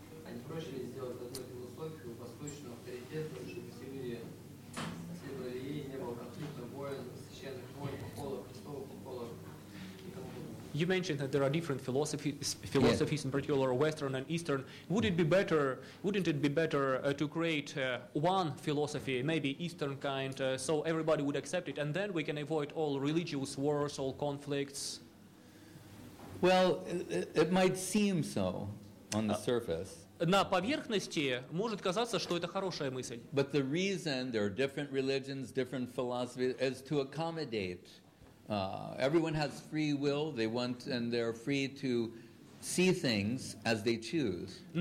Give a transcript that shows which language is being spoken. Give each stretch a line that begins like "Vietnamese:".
Russian: А не проще ли сделать такую философию восточного авторитета, чтобы все люди следовали ей, не было конфликта, войн, священных войн, поколов, христовых поколов?
English: You mentioned that there are different philosophies yeah. in particular Western and Eastern. Would it be better, wouldn't it be better to create one philosophy, maybe Eastern kind, so everybody would accept it, and then we can avoid all religious wars, all conflicts? Well, it might seem so on the surface.
Russian: На поверхности может казаться, что это хорошая мысль.
English: But the reason there are different religions, different philosophies, is to accommodate. Everyone has free will, they want and they're free to see things as they choose.